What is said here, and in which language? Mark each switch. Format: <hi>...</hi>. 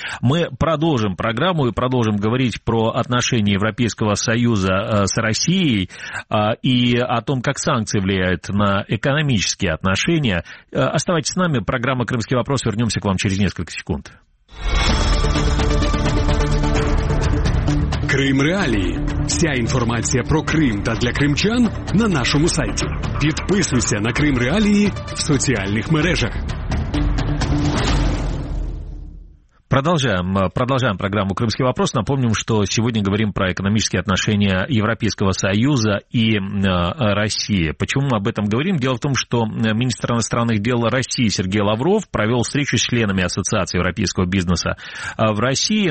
<ru>Мы продолжим программу и продолжим говорить про отношения Европейского Союза с Россией и о том, как санкции влияют на экономические отношения. Оставайтесь с нами. Программа «Крымский вопрос». Вернемся к вам через несколько секунд.</ru> <uk>Крым Реалії. Вся інформація про Крим та для кримчан на нашому сайті. Підписуйся на Крим Реалії в соціальних мережах.</uk> <ru>Продолжаем программу «Крымский вопрос». Напомним, что сегодня говорим про экономические отношения Европейского Союза и России. Почему мы об этом говорим? Дело в том, что министр иностранных дел России Сергей Лавров провел встречу с членами Ассоциации Европейского Бизнеса в России.</ru>